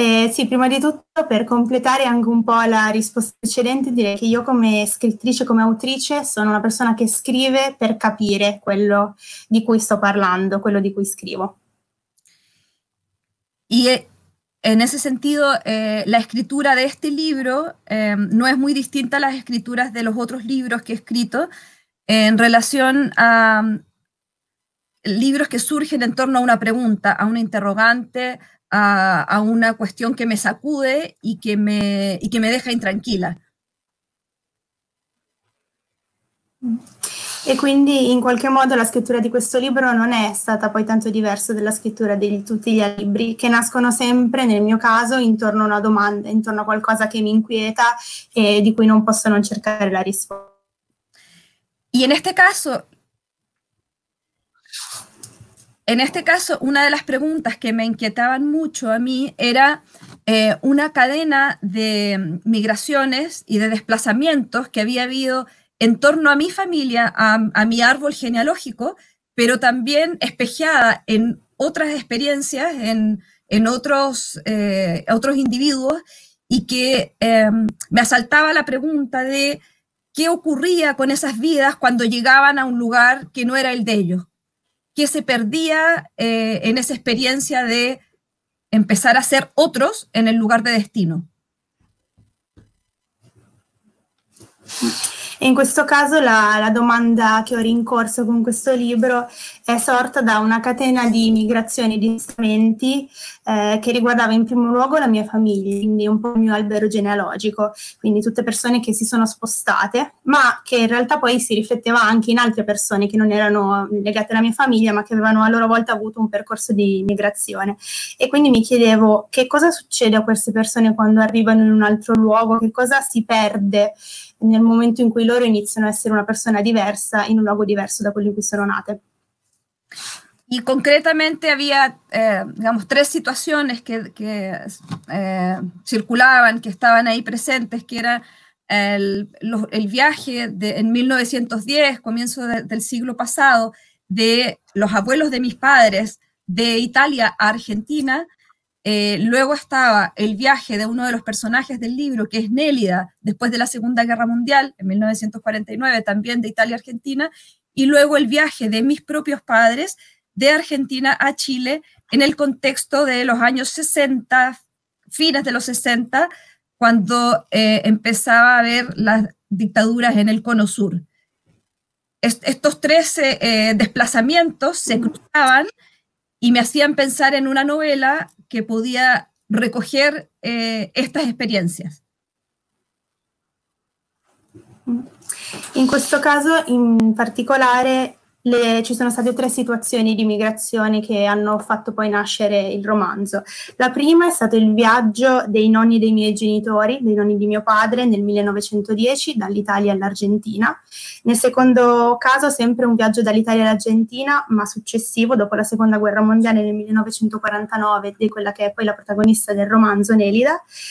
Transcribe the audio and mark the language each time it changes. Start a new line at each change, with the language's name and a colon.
Italian: Sì, prima di tutto per completare anche un po' la risposta precedente, direi che io come scrittrice, come autrice, sono una persona che scrive per capire quello di cui sto parlando, quello di cui scrivo.
Spanish: En ese sentido, la escritura de este libro no es muy distinta a las escrituras de los otros libros que he escrito en relación a libros que surgen en torno a una pregunta, a una interrogante, a una cuestión que me sacude y que me deja intranquila.
Italian: E quindi in qualche modo la scrittura di questo libro non è stata poi tanto diversa dalla scrittura di tutti gli altri libri, che nascono sempre, nel mio caso, intorno a una domanda, intorno a qualcosa che mi inquieta e di cui non posso non cercare la risposta.
Spanish: Y en este caso una de las preguntas que me inquietaban mucho a mí era una cadena de migraciones y de desplazamientos que había habido en torno a mi familia, a mi árbol genealógico, pero también espejeada en otras experiencias, en otros individuos, y que me asaltaba la pregunta de qué ocurría con esas vidas cuando llegaban a un lugar que no era el de ellos, qué se perdía en esa experiencia de empezar a ser otros en el lugar de destino.
Italian: In questo caso la domanda che ho rincorso con questo libro è sorta da una catena di migrazioni e di spostamenti che riguardava in primo luogo la mia famiglia, quindi un po' il mio albero genealogico, quindi tutte persone che si sono spostate, ma che in realtà poi si rifletteva anche in altre persone che non erano legate alla mia famiglia, ma che avevano a loro volta avuto un percorso di migrazione. E quindi mi chiedevo che cosa succede a queste persone quando arrivano in un altro luogo, che cosa si perde nel momento in cui loro iniziano a essere una persona diversa in un luogo diverso da quello in cui sono nate.
Spanish: Y concretamente había, digamos, tres situaciones que circulaban, que estaban ahí presentes, que era el viaje de, en 1910, comienzo del siglo pasado, de los abuelos de mis padres de Italia a Argentina. Luego estaba el viaje de uno de los personajes del libro, que es Nélida, después de la Segunda Guerra Mundial, en 1949, también de Italia a Argentina, y luego el viaje de mis propios padres de Argentina a Chile en el contexto de los años 60, fines de los 60, cuando empezaba a haber las dictaduras en el Cono Sur. Estos tres desplazamientos se cruzaban y me hacían pensar en una novela que podía recoger estas experiencias. En este caso, en particular,
Italian: ci sono state tre situazioni di migrazione che hanno fatto poi nascere il romanzo. La prima è stato il viaggio dei nonni dei miei genitori, dei nonni di mio padre, nel 1910 dall'Italia all'Argentina. Nel secondo caso sempre un viaggio dall'Italia all'Argentina, ma successivo, dopo la Seconda Guerra Mondiale nel 1949, di quella che è poi la protagonista del romanzo, Nelida.